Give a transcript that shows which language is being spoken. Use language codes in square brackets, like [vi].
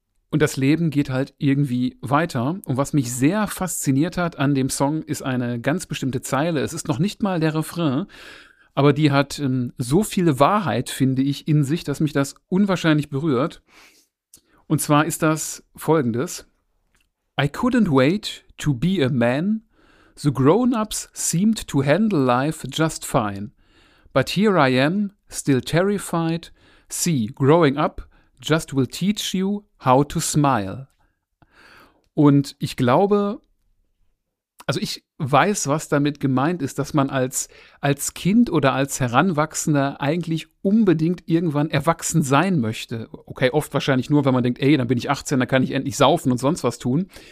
[de] Und das Leben geht halt irgendwie weiter. Und was mich sehr fasziniert hat an dem Song, ist eine ganz bestimmte Zeile. Es ist noch nicht mal der Refrain, aber die hat so viel Wahrheit, finde ich, in sich, dass mich das unwahrscheinlich berührt. Und zwar ist das folgendes. [en] I couldn't wait to be a man. The grown-ups seemed to handle life just fine. But here I am, still terrified. See, growing up just will teach you how to smile. [de] Und ich glaube, also ich weiß, was damit gemeint ist, dass man als Kind oder als Heranwachsender eigentlich unbedingt irgendwann erwachsen sein möchte. Okay, oft wahrscheinlich nur, wenn man denkt, ey, dann bin ich 18, dann kann ich endlich saufen und sonst was tun.